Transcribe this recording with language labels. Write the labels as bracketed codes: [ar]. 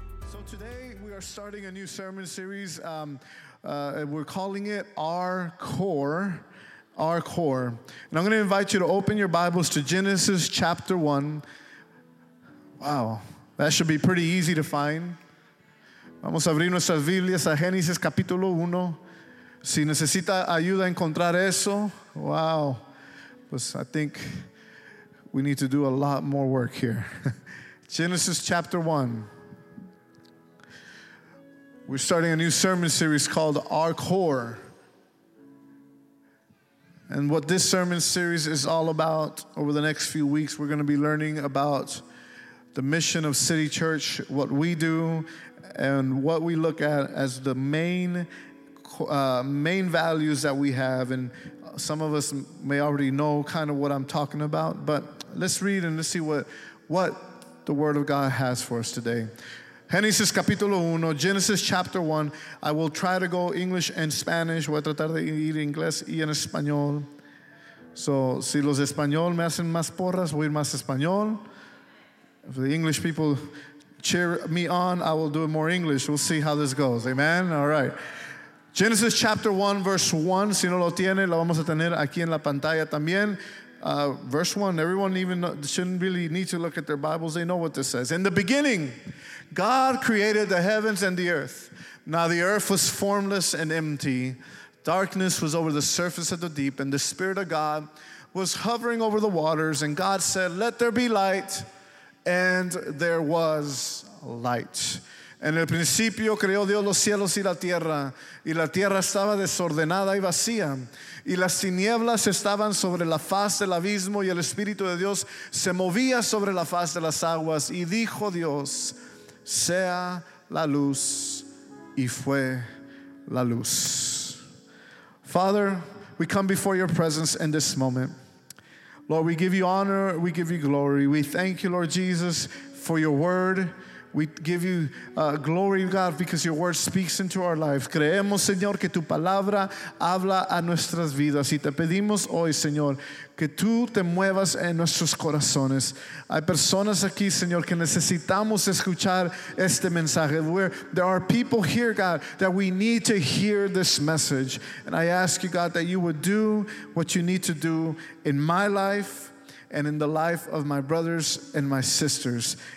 [en] So today we are starting a new sermon series. We're calling it Our Core. And I'm going to invite you to open your Bibles to Genesis chapter 1. Wow, that should be pretty easy to find. [es] Vamos a abrir nuestras Biblias a Génesis capítulo 1. Si necesita ayuda a encontrar eso, wow. [en] Pues I think we need to do a lot more work here. Genesis chapter 1. We're starting a new sermon series called Our Core. And what this sermon series is all about over the next few weeks, we're going to be learning about the mission of City Church, what we do, and what we look at as the main values that we have. And some of us may already know kind of what I'm talking about, but let's read and let's see what the Word of God has for us today. [es] Genesis capítulo 1, [en] Genesis chapter 1. I will try to go English and Spanish. [es] Voy a tratar de ir en inglés y en español. So, si los español me hacen más porras, voy a ir más español. [en] If the English people cheer me on, I will do it more English. We'll see how this goes. Amen? All right. Genesis chapter 1, verse 1. [es] Si no lo tiene, lo vamos a tener aquí en la pantalla también. [en] Verse 1, everyone even shouldn't really need to look at their Bibles. They know what this says. In the beginning, God created the heavens and the earth. Now the earth was formless and empty. Darkness was over the surface of the deep, and the Spirit of God was hovering over the waters. And God said, "Let there be light." And there was light. [es] En el principio creó Dios los cielos y la tierra, y la tierra estaba desordenada y vacía, y las tinieblas estaban sobre la faz del abismo, y el Espíritu de Dios se movía sobre la faz de las aguas, y dijo Dios, sea la luz, y fue la luz. [en] Father, we come before your presence in this moment. Lord, we give you honor, we give you glory. We thank you, Lord Jesus, for your word. We give you glory, God, because your word speaks into our lives. [es] Creemos, Señor, que tu palabra habla a nuestras vidas. Y te pedimos hoy, Señor, que tú te muevas en nuestros corazones. Hay personas aquí, Señor, que necesitamos escuchar este mensaje. [en] There are people here, God, that we need to hear this message. And I ask you, God, that you would do what you need to do in my life and in the life of my brothers and my sisters.